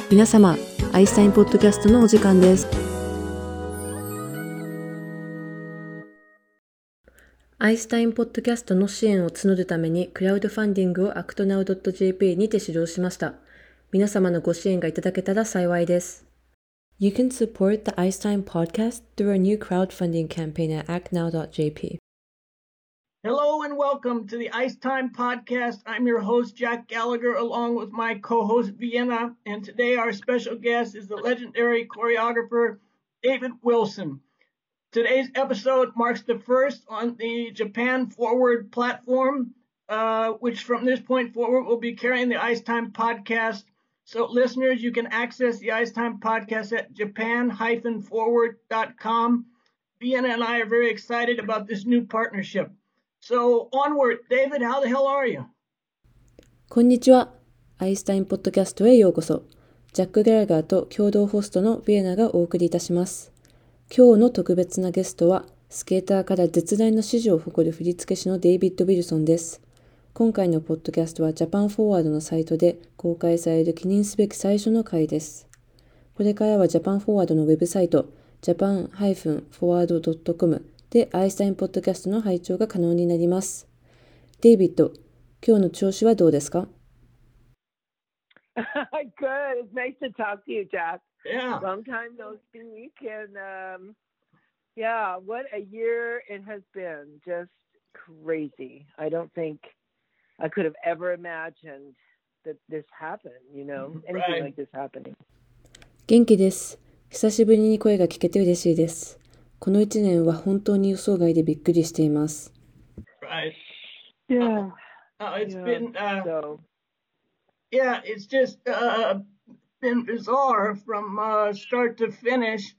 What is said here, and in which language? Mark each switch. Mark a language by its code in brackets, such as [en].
[ja] 皆様、アイスタインポッドキャストのお時間です。アイスタインポッドキャストの支援を募るためにクラウドファンディングを actnow.jp にて始動しました。皆様のご支援がいただけたら幸いです。 [en] You can support the Ice Time Podcast through our new crowdfunding campaign at actnow.jp. Hello and welcome to the Ice Time Podcast. I'm your host, Jack Gallagher, along with my co-host, Vienna. And today our special guest is the legendary choreographer, David Wilson. Today's episode marks the first on the Japan Forward platform, which from this point forward will be carrying the Ice Time Podcast. So listeners, you can access the Ice Time Podcast at japan-forward.com. Vienna and I are very excited about this new partnership. So onward, David, how the hell are you? [ja] こんにちは。アイスタインポッドキャストへようこそ。ジャック・ギャラガーと共同ホストのヴィエナがお送りいたします。今日の特別なゲストは、スケーターから絶大の支持を誇る振付師のデイビッド・ウィルソンです。今回のポッドキャストはジャパンフォワードのサイトで公開される記念すべき最初の回です。これからはジャパンフォワードのウェブサイト、japan-forward.com、で、アイスタインポッドキャストの拝聴が可能になります。デイビッド、今日の調子はどうですか? [en] Good. It's nice to talk to you, Jack. Yeah. Long time no speak. And yeah, what a year it has been. Just crazy. I don't think I could have ever imagined that this happened, you know, anything like this happening. [ja] 元気です。久しぶりに声が聞けて嬉しいです。この一年は本当に予想外でびっくりしています。 [en] Right. Yeah. It's just been bizarre from start to finish.